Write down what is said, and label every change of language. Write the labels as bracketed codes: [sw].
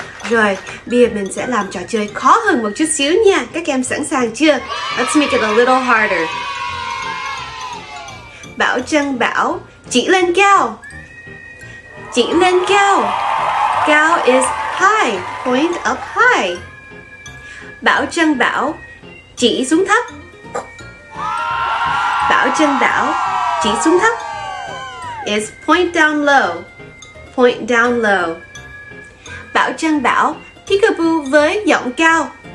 [vi] Rồi, bây giờ mình sẽ làm trò chơi khó hơn một chút xíu nha. Các em sẵn sàng chưa? [en] Let's make it a little harder. [vi] Bảo Trân Bảo chỉ lên cao. Chỉ lên cao. [en] Cao is high, point up high. [vi] Bảo Trân Bảo chỉ xuống thấp. Bảo Trân Bảo chỉ xuống thấp [en] is point down low. Point down low. [vi] Bảo Trân Bảo peekaboo với giọng cao.